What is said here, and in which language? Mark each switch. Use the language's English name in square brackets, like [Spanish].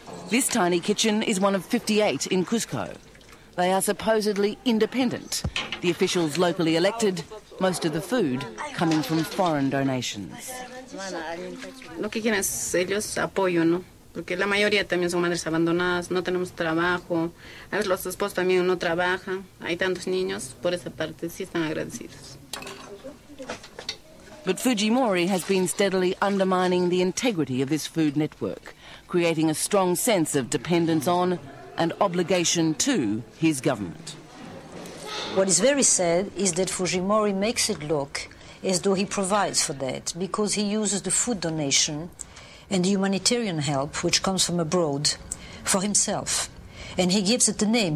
[English] This tiny kitchen is one of 58 in Cusco. They are supposedly independent, the officials locally elected, most of the food coming from foreign donations. [Spanish] Lo que quieren es ellos apoyo, ¿no? Porque la mayoría también son madres abandonadas, no tenemos trabajo. A veces los esposos también no trabajan. Hay tantos niños, por esa parte sí están agradecidos. [English] But Fujimori has been steadily undermining the integrity of this food network, creating a strong sense of dependence on and obligation to his government. What is very sad is that Fujimori makes it look as though he provides for that because he uses the food donation and the humanitarian help, which comes from abroad, for himself. And he gives it the name.